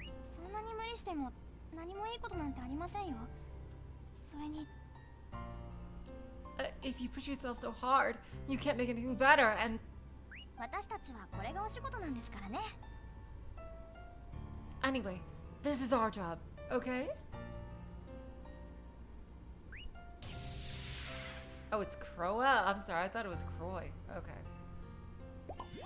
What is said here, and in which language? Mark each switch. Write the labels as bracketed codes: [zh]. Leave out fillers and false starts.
[ja] そんなに無理しても何もいいことなんてありませんよ。それに、 [en] if you push yourself so hard, you can't make anything better. And [ja] 私たちはこれがお仕事なんですからね。 [en] Anyway, this is our job, okay? Oh, it's Croa. I'm sorry, I thought it was Croy. Okay.